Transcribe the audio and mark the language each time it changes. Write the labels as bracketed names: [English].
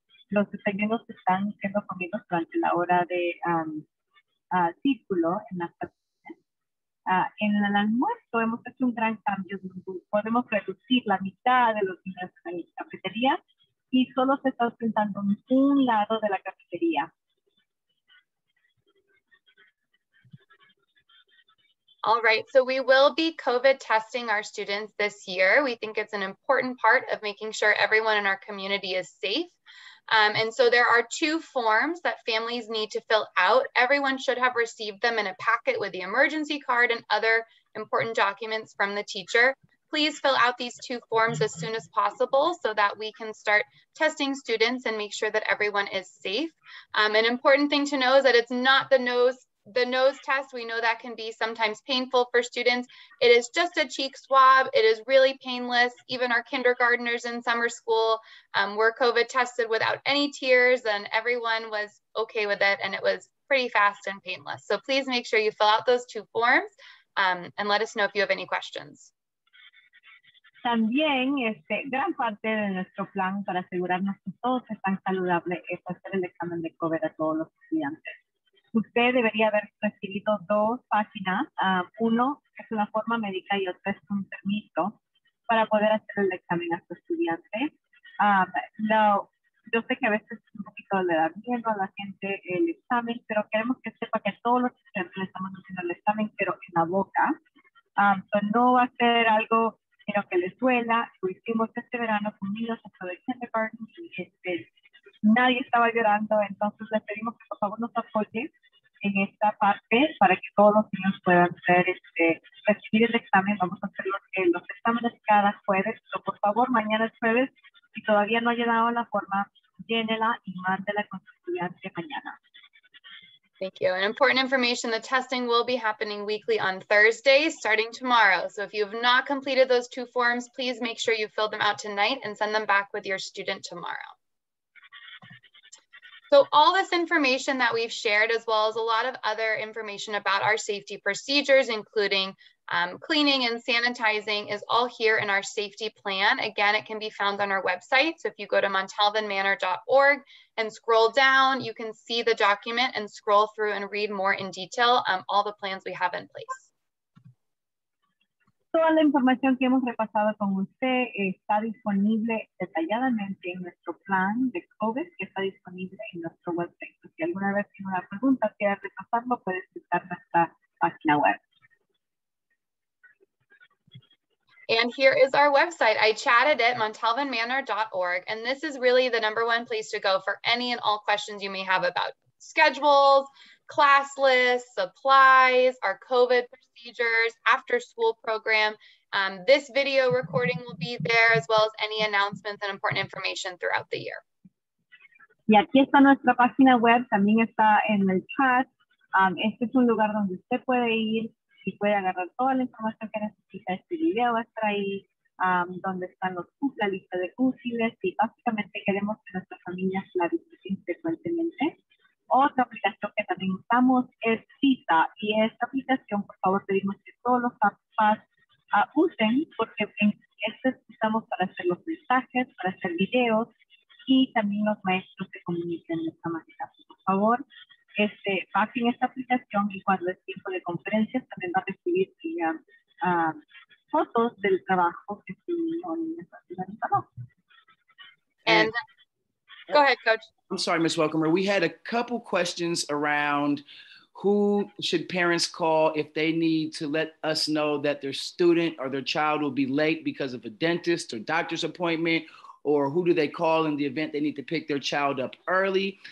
[Spanish] Los desayunos están siendo comidos durante la hora de círculo en la cafetería. En el almuerzo, hemos hecho un gran cambio. Podemos reducir la mitad de los niños en la cafetería y solo se está sentando en un lado de la cafetería. [English] All right, so we will be COVID testing our students this year. We think it's an important part of making sure everyone in our community is safe. And so there are two forms that families need to fill out. Everyone should have received them in a packet with the emergency card and other important documents from the teacher. Please fill out these two forms as soon as possible so that we can start testing students and make sure that everyone is safe. An important thing to know is that it's not the nose test, we know that can be sometimes painful for students. It is just a cheek swab. It is really painless. Even our kindergartners in summer school were COVID tested without any tears, and everyone was okay with it, and it was pretty fast and painless. So please make sure you fill out those two forms and let us know if you have any questions. [Spanish] También, gran parte de nuestro plan para asegurarnos que todos están saludables es hacer el examen de COVID a todos los estudiantes. Usted debería haber recibido dos páginas, uno es una forma médica y otro es un permiso para poder hacer el examen a su estudiante. Yo sé que a veces es un poquito le da miedo a la gente el examen, pero queremos que sepa que todos los estudiantes le estamos haciendo el examen, pero en la boca. No va a ser algo sino que les duela. Lo hicimos este verano con niños dentro del kindergarten y nadie estaba llorando, entonces le pedimos que por favor nos apoye en esta parte para que todos los niños puedan ser, recibir el examen. Vamos a hacer los exámenes cada jueves, pero por favor, mañana es jueves. Si todavía no ha llegado la forma, llénela y mándela con su estudiante mañana. [English] Thank you. And important information, the testing will be happening weekly on Thursday, starting tomorrow. So if you have not completed those two forms, please make sure you fill them out tonight and send them back with your student tomorrow. So all this information that we've shared, as well as a lot of other information about our safety procedures, including cleaning and sanitizing, is all here in our safety plan. Again, it can be found on our website. So if you go to montalvinmanor.org and scroll down, you can see the document and scroll through and read more in detail all the plans we have in place. Toda la información que hemos repasado con usted está disponible detalladamente en nuestro plan de COVID, que está disponible en nuestro website. Si alguna vez tiene una pregunta, quiere repasarlo, puede visitar nuestra página web. And here is our website. I chatted it, montalvinmanor.org. And this is really the number one place to go for any and all questions you may have about schedules, class lists, supplies, our COVID procedures, after school program. This video recording will be there, as well as any announcements and important information throughout the year. [Spanish] Y aquí está nuestra página web, también está en el chat. Este es un lugar donde usted puede ir y puede agarrar toda la información que necesita. Este video va a estar ahí, donde están la lista de útiles, y básicamente queremos que nuestras familias la visiten frecuentemente. Otra aplicación que también usamos es Cita, y esta aplicación, por favor, pedimos que todos los papás usen, porque este usamos para hacer los mensajes, para hacer videos, y también los maestros se comuniquen de esta manera. Por favor, bajen esta aplicación, y cuando es tiempo de conferencias, también va a recibir fotos del trabajo que su niño está haciendo. [English] Go ahead, Coach. I'm sorry, Ms. Welcomer. We had a couple questions around who should parents call if they need to let us know that their student or their child will be late because of a dentist or doctor's appointment, or who do they call in the event they need to pick their child up early.